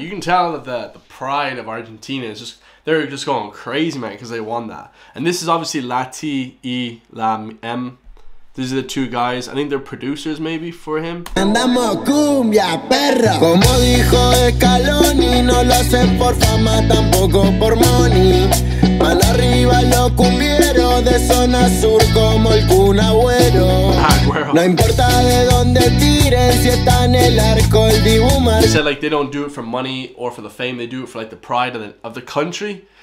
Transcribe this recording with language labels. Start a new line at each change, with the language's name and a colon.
English: You can tell that the pride of Argentina is just, they're just going crazy, man, because they won that. And this is obviously Lati y La M. These are the two guys. I think they're producers maybe for him.
Spanish: Andamos cumbia, perra. Como dijo Scaloni, no lo hacen por fama, tampoco por money. Mal arriba lo cumbiero, de zona sur como el Kun Agüero. No importa de dónde tiren, si está en el arco el Dibu Martínez.
English: He said like they don't do it for money or for the fame, they do it for like the pride of the country.